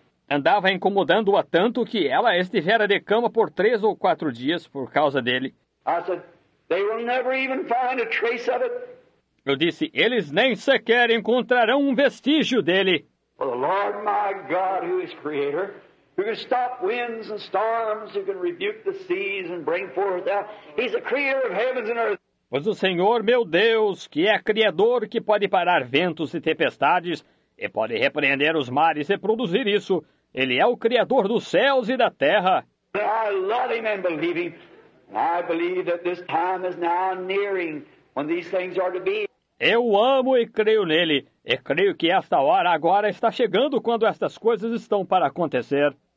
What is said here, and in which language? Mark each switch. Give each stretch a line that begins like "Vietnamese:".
Portuguese: Andava incomodando-a tanto que ela estivera de cama por 3 ou 4 dias por causa dele.
English: I said, they will never even find a trace of it.
Portuguese: Eu disse, eles nem sequer encontrarão um vestígio dele.
English: For the Lord my God, who is creator, who can stop winds and storms, who can rebuke the seas and bring forth out. He's the creator of heavens and earth.
Portuguese: Pois o Senhor, meu Deus, que é criador, que pode parar ventos e tempestades, e pode repreender os mares e produzir isso. Ele é o criador dos céus e da terra.
English: I love him and believe him. I believe that this time is now nearing when these things are to be.
Portuguese: Eu amo e creio nele. E creio que esta hora agora está chegando quando estas coisas estão para acontecer.